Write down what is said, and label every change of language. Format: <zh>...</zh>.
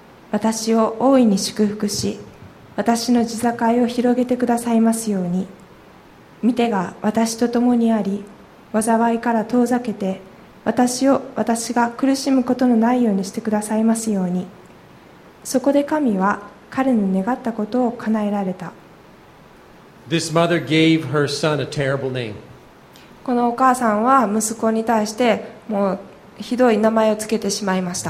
<ja>私を大いに祝福し私の地境を広げてくださいますように。見てが私と共にあり、災いから遠ざけて私を私が苦しむことのないようにしてくださいますように。そこで神は彼の願ったことを叶えられた。</ja> <en>This mother gave her son a terrible name.</en> <ja>このお母さんは息子に対してもうひどい名前をつけてしまいました。</ja>